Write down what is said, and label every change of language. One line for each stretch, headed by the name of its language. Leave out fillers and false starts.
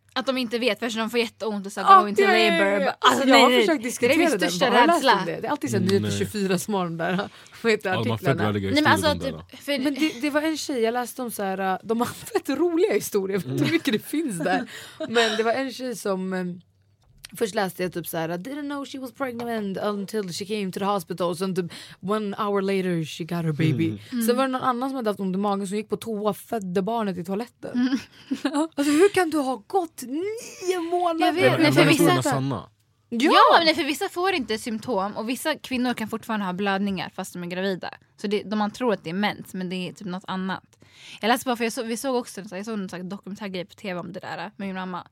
Swedish: Att de inte vet, först de får jätteont och så går inte till labor. Alltså, jag har försökt diskutera det. Det är min största rädsla. Det är alltid så att 24 små de där artiklarna. Ja, nej, men, alltså, men det var en tjej, jag läste om så här, de har fett roliga historier, jag vet inte hur mycket det finns där. Men det var en tjej som... Först läste jag typ såhär,
English: didn't know she was pregnant until she came to the hospital.
Swedish: Så typ,
English: 1 hour later she got her baby.
Swedish: Sen var det någon annan som hade haft ont i magen som gick på toa, födde barnet i toaletten. Alltså hur kan du ha gått 9 månader? Jag vet, nej, för vissa... Ja, ja, men för vissa får inte symptom och vissa kvinnor kan fortfarande ha blödningar fast de är gravida. Så det, man tror att det är mens, men det är typ något annat. Jag läste bara, för jag såg en dokumentärgrej på tv om det där med min mamma.